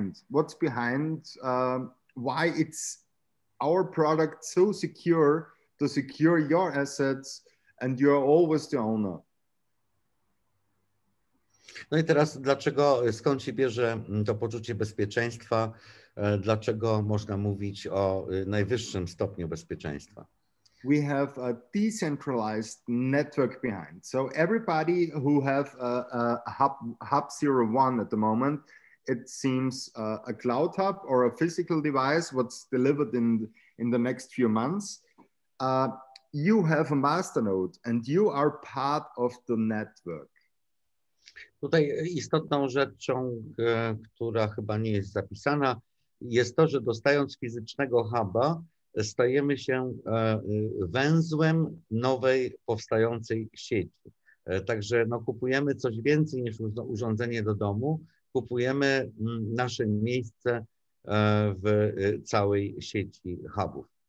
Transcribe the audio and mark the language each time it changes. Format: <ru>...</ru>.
<en>What's behind? Why it's our product so secure to secure your assets, and you are always the owner.</en> <pl>No i teraz dlaczego, skąd się bierze to poczucie bezpieczeństwa? Dlaczego można mówić o najwyższym stopniu bezpieczeństwa?</pl> <en>We have a decentralized network behind. So everybody who have a hub 01 at the moment, it seems a cloud hub or a physical device what's delivered in the next few months, you have a masternode and you are part of the network.</en> <pl>Tutaj istotną rzeczą, która chyba nie jest zapisana, jest to, że dostając fizycznego huba, stajemy się węzłem nowej powstającej sieci. Także no, kupujemy coś więcej niż urządzenie do domu, kupujemy nasze miejsce w całej sieci hubów.</pl>